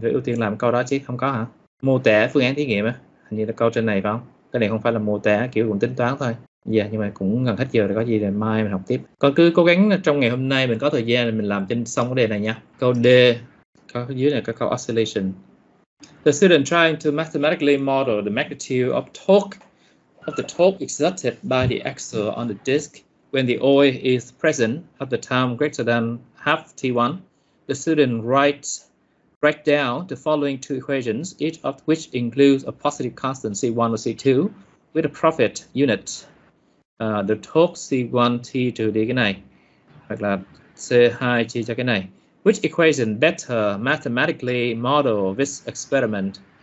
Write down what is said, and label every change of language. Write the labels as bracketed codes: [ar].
[vi] Phải ưu tiên làm câu đó chứ, không có hả? Mô tả phương án thí nghiệm á, hình như là câu trên này phải không? Cái này không phải là mô tả, kiểu cũng tính toán thôi. Dạ, nhưng mà cũng gần hết giờ rồi, có gì để mai mình học tiếp. Con cứ cố gắng trong ngày hôm nay mình có thời gian mình làm trên xong cái đề này nha. Câu D, có dưới này có câu oscillation. [en] The student trying to mathematically model the magnitude of the torque exerted by the axle on the disk when the oil is present at the time greater than half T1. The student write down the following two equations, each of which includes a positive constant C1 or C2 with a profit unit. The torque C1 T2 [vi] đi cái này, hoặc là C2 chia cho cái này. [en] Which equation better mathematically model this experiment?